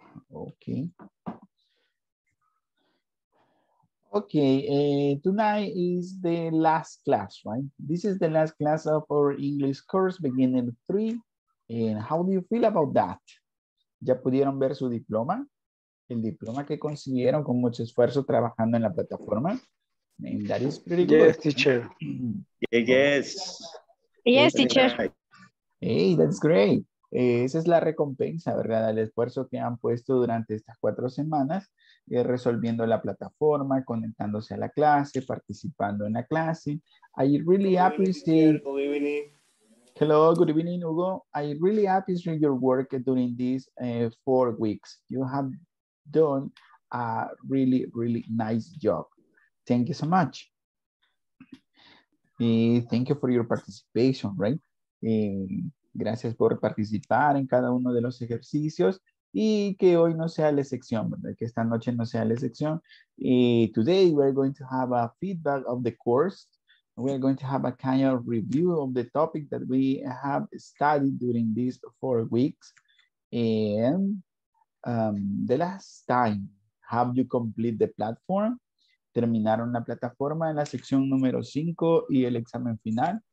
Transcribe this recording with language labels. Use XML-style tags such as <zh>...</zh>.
<en>Okay. Okay, tonight is the last class, right? This is the last class of our English course beginning 3. And how do you feel about that?</en> <es>¿Ya pudieron ver su diploma? El diploma que consiguieron con mucho esfuerzo trabajando en la plataforma.</es> <en>And that is pretty good. Yes, teacher. Yes. Yes, teacher. Hey, that's great.</en> <es>Esa es la recompensa, ¿verdad? El esfuerzo que han puesto durante estas 4 semanas, resolviendo la plataforma, conectándose a la clase, participando en la clase.</es> <en>I really appreciate. Hello, good evening, Hugo. I really appreciate your work during these 4 weeks. You have done a really, really nice job. Thank you so much. Thank you for your participation, right?</en> <es>Gracias por participar en cada uno de los ejercicios y que hoy no sea la excepción, ¿verdad? Que esta noche no sea la excepción.</es> <en>Today we're going to have a feedback of the course. We are going to have a kind of review of the topic that we have studied during these 4 weeks. And the last time, have you complete the platform?</en> <es>¿Terminaron la plataforma en la sección número 5 y el examen final?</es>